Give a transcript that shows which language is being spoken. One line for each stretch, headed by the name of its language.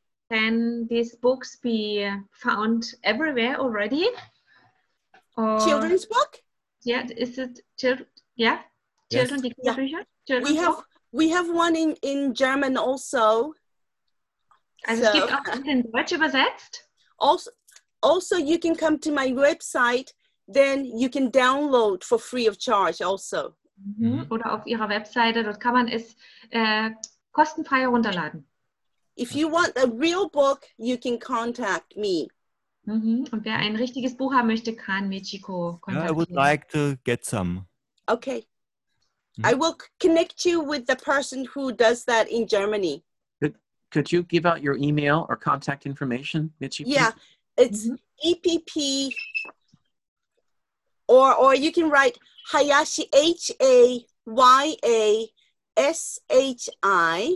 English: Can these books be found everywhere already? Or children's book? Yeah, is it children? Yeah, children's yes. Yeah. Bücher. Children's we have one in German also.
German: Also so, es gibt auch in Deutsch übersetzt.
English: Also you can come to my website, then you can download for free of charge also. Mm-hmm.
German: Oder auf Ihrer Webseite, dort kann man es kostenfrei herunterladen.
English: If you want a real book, you can contact me. Mm-hmm.
German: Und wer ein richtiges Buch haben möchte, kann Michiko kontaktieren.
English: Yeah, I would like to get some. Okay. Mm-hmm. I will connect you with the person who does that in Germany. Could you give out your email or contact information, Michiko? Yeah, it's EPP, or you can write Hayashi, H-A-Y-A, S-H-I